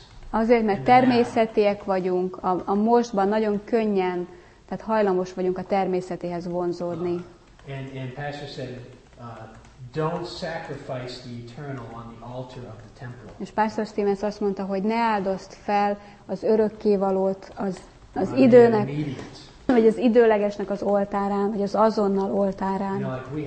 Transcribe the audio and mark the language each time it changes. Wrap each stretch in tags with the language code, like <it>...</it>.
<hu>Azért, mert természetiek vagyunk, a mostban nagyon könnyen, tehát hajlamos vagyunk a természetéhez vonzódni.</hu> <en>And Pastor said, don't sacrifice the eternal on the altar of the temple.</en> <hu>És Pastor Stevens azt mondta, hogy ne áldozd fel az örökkévalót az időnek, vagy az időlegesnek az oltárán, vagy az azonnal oltárán.</hu>